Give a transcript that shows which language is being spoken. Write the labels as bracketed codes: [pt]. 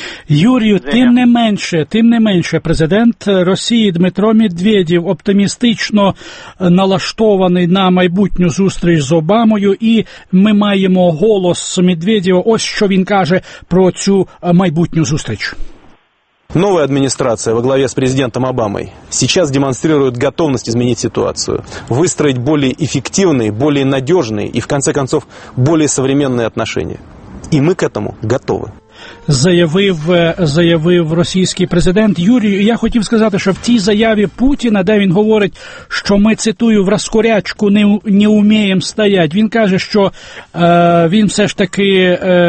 [uk] Юрію, тим не менше, президент Росії Дмитро Медведєв оптимістично налаштований на майбутню зустріч з Обамою, і ми маємо голос Медведєва, ось що він каже про цю майбутню зустріч. [ru] Новая администрация во главе с президентом Обамой сейчас демонстрирует готовность изменить ситуацию, выстроить более эффективные, более надежные и, в конце концов, более современные отношения. И мы к этому готовы. [uk] Заявив російський президент. Юрію, я хотів сказати, що в цій заяві Путіна, де він говорить, що ми, цитую, в розкорячку не вміємо стояти, він каже, що він все ж таки